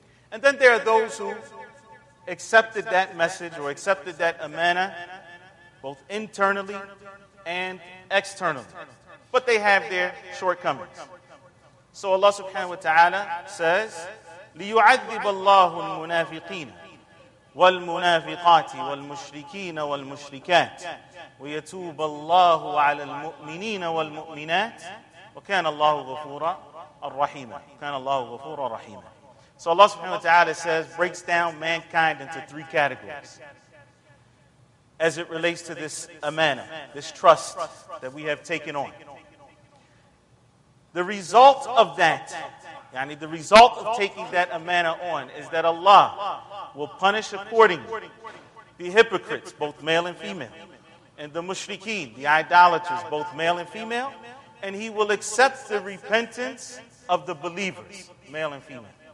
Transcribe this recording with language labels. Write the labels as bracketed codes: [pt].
[en] And then there are those who accepted that message or accepted that amana both internally and externally. But they have their shortcomings. So Allah subhanahu wa ta'ala says, [ar] ليعذب الله المنافقين والمنافقات والمشركين والمشركات ويتوب الله على المؤمنين والمؤمنات وكان الله غفورا رحيما كان الله غفورا رحيما. [en] So Allah subhanahu wa ta'ala says, breaks down mankind into three categories as it relates to this amana, this trust that we have taken on. The result of that, yani the result of taking that amana on, is that Allah will punish accordingly the hypocrites, both male and female, and the mushrikeen, the idolaters, both male and female, and He will accept the repentance of the believers, male and female.